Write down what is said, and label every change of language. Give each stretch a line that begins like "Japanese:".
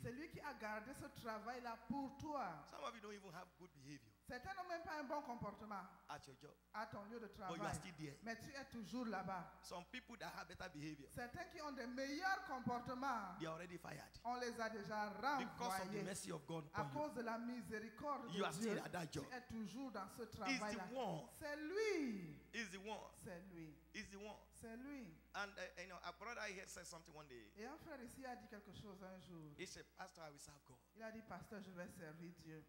French: C'est lui qui a gardé ce travail là pour toi.
English: Some of you don't even have good behavior.
French: Certains n'ont même pas un bon comportement.
English: At your job.
French: À ton lieu de travail.
English: But you are still there.
French: Mais tu es toujours là-bas.
English: Some people that have better behavior.
French: Certains qui ont des meilleurs comportements.
English: They are already fired.
French: On les a déjà renvoyés.
English: Because of the mercy of God.
French: À cause de la miséricorde de Dieu.
English: You are still at that job.
French: Tu es toujours dans ce travail.
English: He's the one.
French: C'est lui.
English: He's the one.
French: C'est lui.
English: He's the one.
French: C'est lui.
English: And you know, a brother here said something one day.
French: Et un frère ici a dit quelque chose un jour.
English: He said, "Pastor, I will serve God."
French: Il a dit, pasteur, je vais servir Dieu.